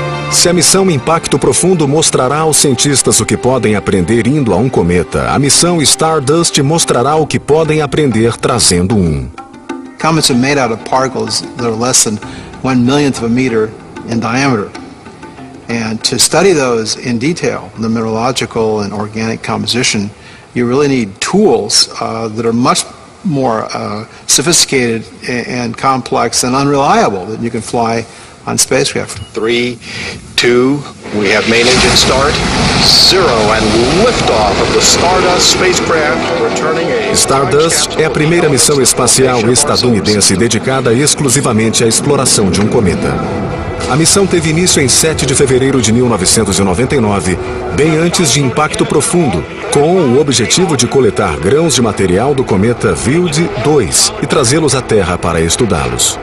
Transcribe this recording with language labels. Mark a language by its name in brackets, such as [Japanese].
[Portuguese] Se a missão Impacto Profundo mostrará aos cientistas o que podem aprender indo a um cometa, a missão Stardust mostrará o que podem aprender trazendo um. [English] Comets are made out of particles that are less than 1/1,000,000 of a meter in diameter. And to study those in detail, the mineralogical and organic composition, you really need tools that are much more sophisticated and complex and unreliable than you can fly on spacecraft. 3, 2, we have main engine start, 0, and liftoff of the Stardust spacecraft returning a... [Portuguese] Stardust é a primeira missão espacial estadunidense dedicada exclusivamente à exploração de um cometa. A missão teve início em 7 de fevereiro de 1999, bem antes de Impacto Profundo, com o objetivo de coletar grãos de material do cometa Wild 2 e trazê-los à Terra para estudá-los.